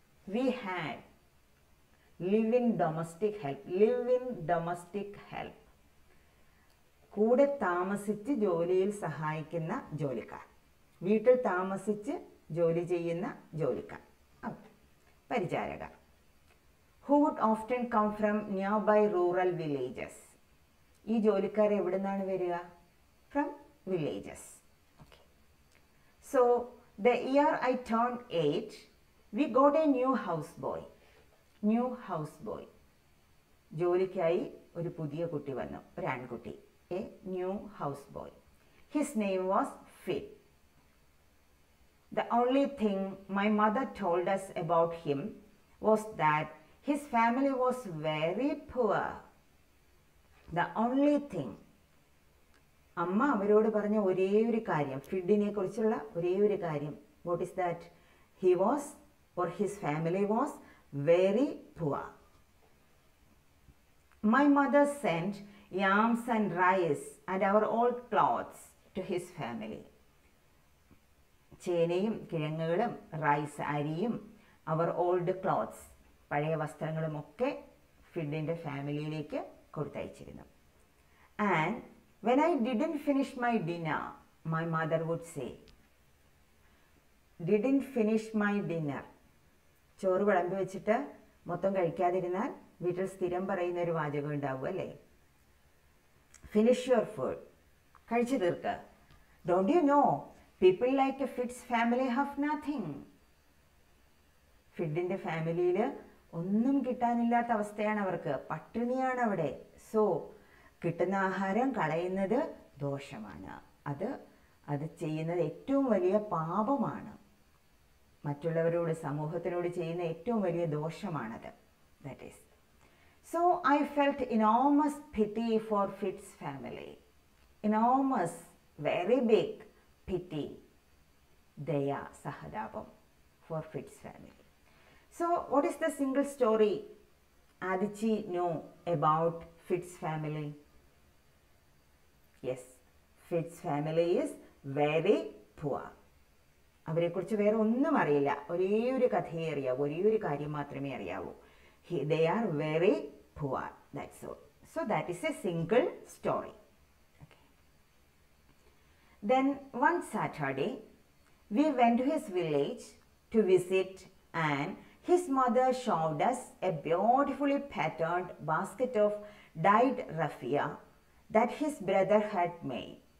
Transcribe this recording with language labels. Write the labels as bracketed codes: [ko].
[en] We had live in domestic help, live in domestic help. [ml] കൂടെ താമസിച്ച് ജോലിയിൽ സഹായിക്കുന്ന ജോലിക്കാർ, വീട്ടിൽ താമസിച്ച് ജോലി ചെയ്യുന്ന ജോലിക്കാർ, പരിചാരകർ. [en] Who would often come from nearby rural villages. [ml] ഈ ജോലിക്കാർ എവിടുന്നാണ് വരിക? [en] From villages. Okay. So, the year I turned 8, we got a new houseboy. [ml] New house boy, ജോലിക്കായി ഒരു പുതിയ കുട്ടി വന്നു, ഒരു ആൺകുട്ടി. [en] A new house boy. His name was fit. The only thing my mother told us about him was that his family was very poor. The only thing [ml] അമ്മ അവരോട് പറഞ്ഞ ഒരേ ഒരു കാര്യം, ഫിഡിനെ കുറിച്ചുള്ള ഒരേ ഒരു കാര്യം, [en] What is that? He was or his family was very poor. My mother sent yams and rice and our old clothes to his family. [ml] ചേനയും കിഴങ്ങുകളും റൈസ് അരിയും അവർ ഓൾഡ് ക്ലോത്ത്സ് പഴയ വസ്ത്രങ്ങളും ഒക്കെ ഫിഡിൻ്റെ ഫാമിലിയിലേക്ക് കൊടുത്തയച്ചിരുന്നു. [en] and when I didn't finish my dinner [ml] my mother would say didn't finish my dinner ചോറ് വിളമ്പി വെച്ചിട്ട് മൊത്തം കഴിക്കാതിരുന്നാൽ വീട്ടിൽ സ്ഥിരം പറയുന്ന ഒരു വാചകം ഉണ്ടാവും അല്ലേ, [en] finish your food, [ml] കഴിച്ചു തീർക്ക്. [en] Don't you know, people like a Fitz family have nothing. [ml] ഫിഡിൻ്റെ ഫാമിലിയിൽ ഒന്നും കിട്ടാനില്ലാത്ത അവസ്ഥയാണ് അവർക്ക്, പട്ടിണിയാണ് അവിടെ. സോ കിട്ടുന്ന ആഹാരം കളയുന്നത് ദോഷമാണ്, അത് അത് ചെയ്യുന്നത് ഏറ്റവും വലിയ പാപമാണ്, മറ്റുള്ളവരോട് സമൂഹത്തിനോട് ചെയ്യുന്ന ഏറ്റവും വലിയ ദോഷമാണത്. [en] That is So I felt enormous pity for Fitz's family. Enormous, very big pity, [ml] daya, sahadabam, [en] for Fitz's family. So what is the single story Adichie knew about Fitz's family? Yes, Fitz's family is very poor. [ml] അവരെ കുറിച്ച് വേറെ ഒന്നും അറിയില്ല. ഒരേ ഒരു കഥയെ അറിയാവൂ, ഒരേ ഒരു കാര്യം മാത്രമേ അറിയാവൂ. [en] They are very poor. That's all. So that is a single story. Then one Saturday, we went to his village to visit, and his mother showed us a beautifully patterned basket of dyed raffia that his brother had made.